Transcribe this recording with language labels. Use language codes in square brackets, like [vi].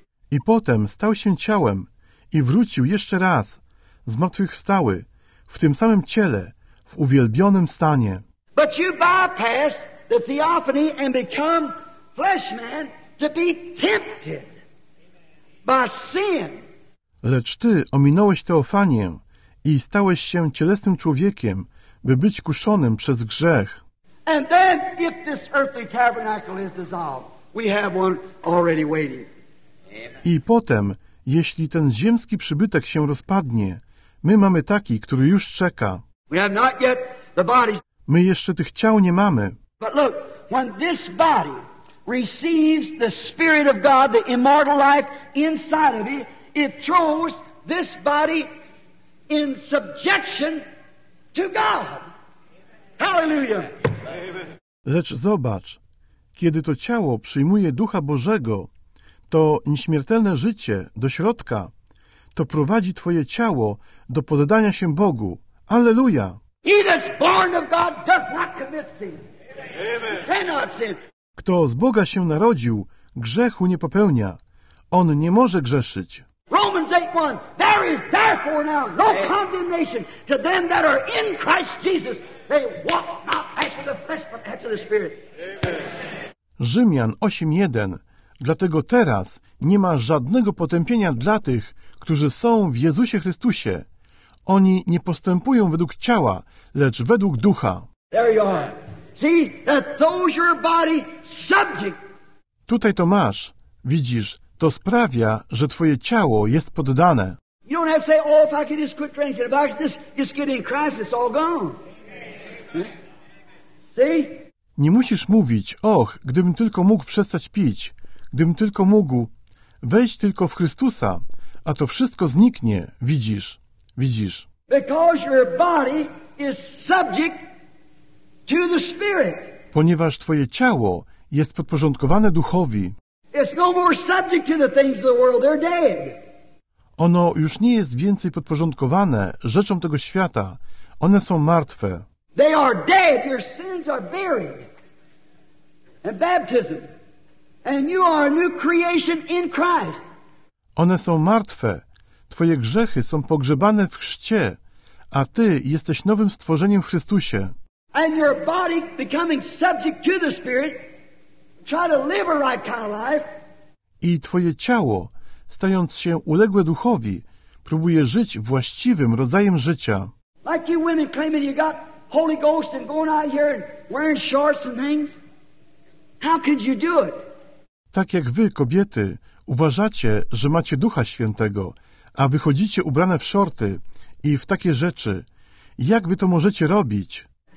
[pl] I potem stał się ciałem i wrócił jeszcze raz, zmartwychwstały, w tym samym ciele, w uwielbionym stanie. [en] But you bypass the theophany and become flesh man to be tempted by sin. [pl] Lecz ty ominąłeś teofanię i stałeś się cielesnym człowiekiem, by być kuszonym przez grzech. [en] And then if this earthly tabernacle is dissolved, we have one already waiting. [pl] I potem, jeśli ten ziemski przybytek się rozpadnie, my mamy taki, który już czeka. [en] We have not yet the body. [pl] My jeszcze tych ciał nie mamy. [en] But look, when this body receives the Spirit of God, the immortal life inside of it, it throws this body in subjection to God. Hallelujah. [pl] Lecz zobacz, kiedy to ciało przyjmuje Ducha Bożego, to nieśmiertelne życie do środka, to prowadzi twoje ciało do poddania się Bogu. Alleluja! [en] He that's born of God doth not commit sin. Amen. Cannot sin. [pl] Kto z Boga się narodził, grzechu nie popełnia. On nie może grzeszyć. [en] Romans 8:1. There is therefore now no condemnation to them that are in Christ Jesus. They walk not after the flesh, but after the Spirit. [pl] Rzymian 8:1. Dlatego teraz nie ma żadnego potępienia dla tych, którzy są w Jezusie Chrystusie. Oni nie postępują według ciała, lecz według ducha. [en] There you are. See, that throws your body subject. [pl] Tutaj to masz. Widzisz, to sprawia, że twoje ciało jest poddane. [en] You don't have to say, oh, if I could just quit drinking, if I could just get in Christ, it's all gone. See? [pl] Nie musisz mówić, och, gdybym tylko mógł przestać pić, gdybym tylko mógł wejść tylko w Chrystusa, a to wszystko zniknie, widzisz, widzisz. [en] Because your body is subject to the Spirit. [pl] Ponieważ twoje ciało jest podporządkowane duchowi. [en] It's no more subject to the things of the world, they're dead. [pl] Ono już nie jest więcej podporządkowane rzeczom tego świata, one są martwe. [en] They are dead, your sins are buried. And baptism. And you are a new creation in Christ. [pl] One są martwe. Twoje grzechy są pogrzebane w chrzcie, a ty jesteś nowym stworzeniem w Chrystusie. [en] And your body becoming subject to the Spirit, try to live a right kind of life. [pl] I twoje ciało, stając się uległe duchowi, próbuje żyć właściwym rodzajem życia. [en] Like you women claiming you got Holy Ghost and going out here and wearing shorts and things. How could you do it? [pl] Tak jak wy, kobiety, Uważacie, że macie Ducha Świętego, a wychodzicie ubrane w szorty i w takie rzeczy. Jak wy to możecie robić?